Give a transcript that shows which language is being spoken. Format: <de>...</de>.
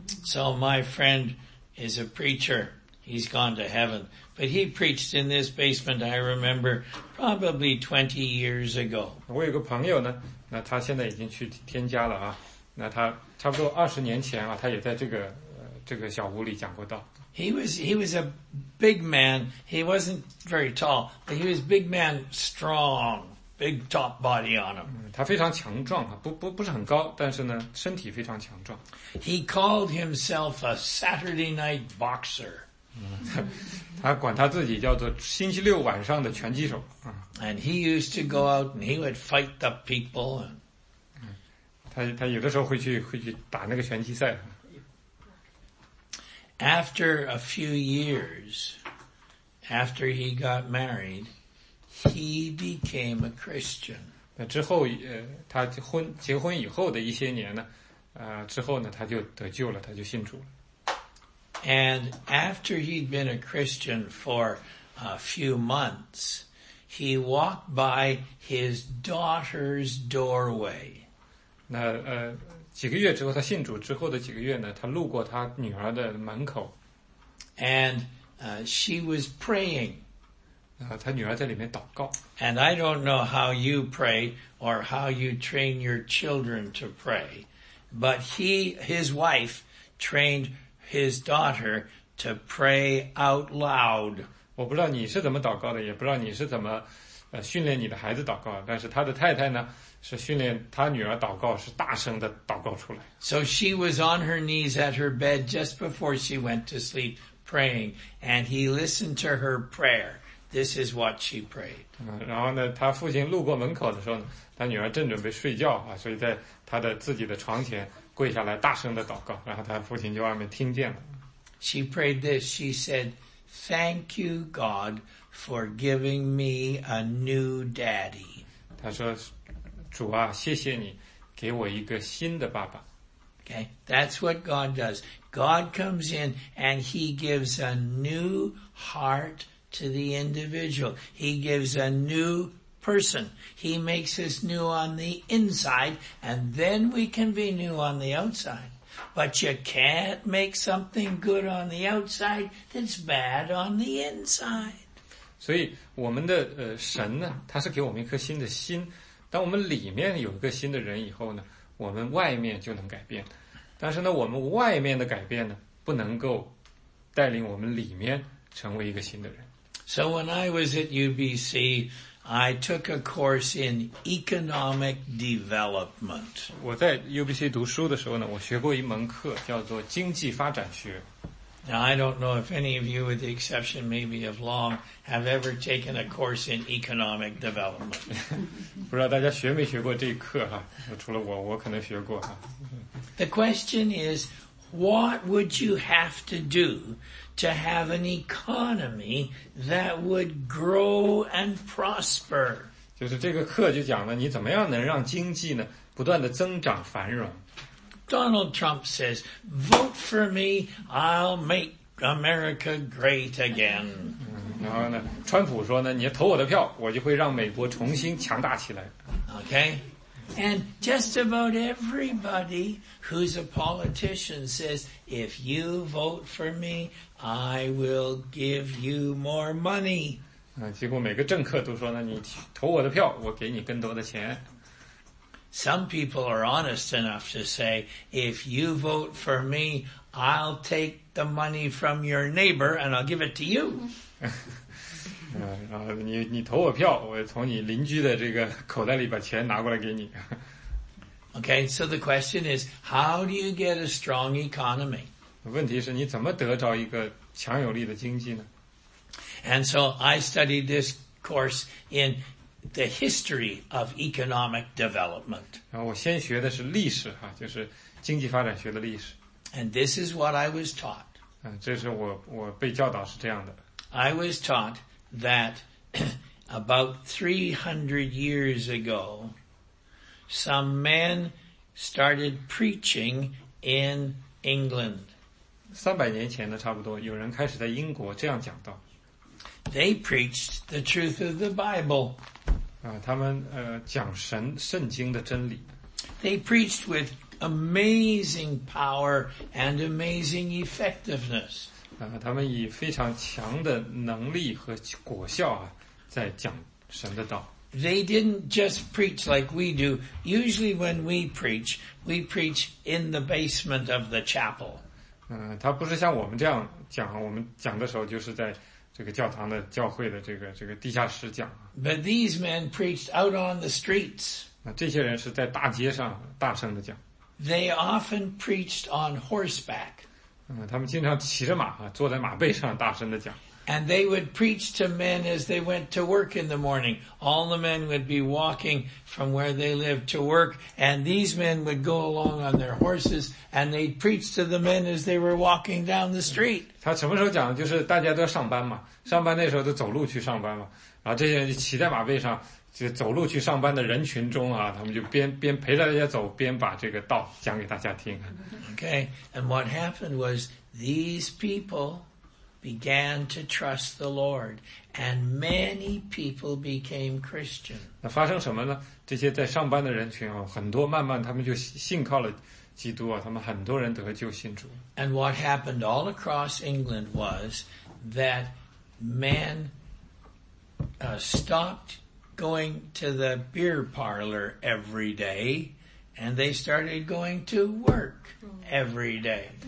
<en>So my friend is a preacher. He's gone to heaven. But he preached in this basement, I remember, probably 20 years ago.</en> <zh>我有个朋友呢那他现在已经去添加了啊那他差不多20年前啊他也在这个小屋里讲过道。</zh> <en>He was a big man, he wasn't very tall, but he was big man, strong, big top body on him.</en> <zh>他非常强壮啊不是很高但是呢身体非常强壮。</zh> <en>He called himself a Saturday night boxer.</en> <zh>他管他自己叫做星期六晚上的拳击手。</zh> <en>And he used to go out and he would fight the people.</en> <zh>他有的时候会去打那个拳击赛。</zh> <en>After a few years, after he got married, he became a Christian.</en> <zh>之后他结婚以后的一些年呢之后呢他就得救了他就信主了。</zh> <en>And after he'd been a Christian for a few months, he walked by his daughter's doorway.</en> <zh>那几个月之后，他信主之后的几个月呢，他路过他女儿的门口。</zh> <en>And she was praying.</en> <zh>他女儿在里面祷告。</zh> <en>And I don't know how you pray or how you train your children to pray, but his wife trained his daughter to pray out loud.</en> <zh>我不知道你是怎么祷告的也不知道你是怎么训练你的孩子祷告但是他的太太呢是训练他女儿祷告是大声的祷告出来。</zh> <en>So she was on her knees at her bed just before she went to sleep praying and he listened to her prayer This is what she prayed.</en> <zh>然后呢，他父亲路过门口的时候呢，他女儿正准备睡觉啊，所以在他的自己的床前跪下来大声的祷告，然后他父亲就外面听见了。</zh> <en>She prayed this. She said, "Thank you, God, for giving me a new daddy."</en> <zh>他说，主啊，谢谢你给我一个新的爸爸。</zh> <en>Okay, that's what God does. God comes in and He gives a new heart to the individual. He gives a new person. He makes us new on the inside, and then we can be new on the outside. But you can't make something good on the outside that's bad on the inside.</en> <zh>所以我们的神呢，他是给我们一颗新的心。当我们里面有一个新的人以后呢，我们外面就能改变。但是呢，我们外面的改变呢，不能够带领我们里面成为一个新的人。</zh> <en>So when I was at UBC, I took a course in economic development.</en> <zh>我在 UBC 读书的时候呢，我学过一门课叫做经济发展学。</zh> <en>Now, I don't know if any of you, with the exception maybe of Long, have ever taken a course in economic development.</en> <zh>不知道大家学没学过这一课哈，除了我，我可能学过哈。</zh> <en>The question is, what would you have to do to have an economy that would grow and prosper?</en> <zh>就是这个课就讲了你怎么样能让经济呢不断的增长繁荣。</zh> <en>Donald Trump says, vote for me, I'll make America great again.</en> <zh>然后呢，川普说呢，你投我的票，我就会让美国重新强大起来。</zh> <en>Okay? And just about everybody who's a politician says, if you vote for me, I will give you more money.</en> <zh>几乎每个政客都说呢，你投我的票，我给你更多的钱。</zh> <en>Some people are honest enough to say, if you vote for me, I'll take the money from your neighbor and I'll give it to you.</en> <zh>你投我票，我从你邻居的这个口袋里把钱拿过来给你。</zh> <en>Okay, so the question is, how do you get a strong economy?</en> <zh>问题是你怎么得着一个强有力的经济呢？</zh> <en>And so I studied this course in the history of economic development.</en> <zh>然后我先学的是历史啊，就是经济发展学的历史。</zh> <en>And this is what I was taught.</en> <zh>这是我被教导是这样的。</zh> <en>I was taught that about 300 years ago, some men started preaching in England.</en> <zh>300年前呢，差不多有人开始在英国这样讲道。</zh> <en>They preached the truth of the Bible.</en> <zh>他们讲神圣经的真理。</zh> <en>They preached with amazing power and amazing effectiveness.</en> <zh>他们以非常强的能力和果效啊，在讲神的道。</zh> <en>They didn't just preach like we do. Usually when we preach in the basement of the chapel.</en> <zh>他不是像我们这样讲，我们讲的时候就是在这个教堂的教会的这个地下室讲。</zh> <en>But these men preached out on the streets.</en> <zh>这些人是在大街上大声的讲。</zh> <en>They often preached on horseback.</en> <zh>他们经常骑着马坐在马背上大声的讲。</zh> <en>And they would preach to men as they went to work in the morning. All the men would be walking from where they lived to work, and these men would go along on their horses, and they'd preach to the men as they were walking down the street.</en> <zh>他什么时候讲的？就是大家都要上班嘛，上班那时候都走路去上班嘛，然后这些人就骑在马背上，就走路去上班的人群中啊，他们就边陪着大家走，边把这个道讲给大家听。</zh> <en>Okay, and what happened was these people began to trust the Lord, and many people became Christian.</en> <zh>那发生什么呢？这些在上班的人群啊，很多慢慢他们就信靠了基督啊，他们很多人得救信主。</zh> <en>And what happened all across England was that men stopped going to the beer parlor every day, and they started going to work every day.</en>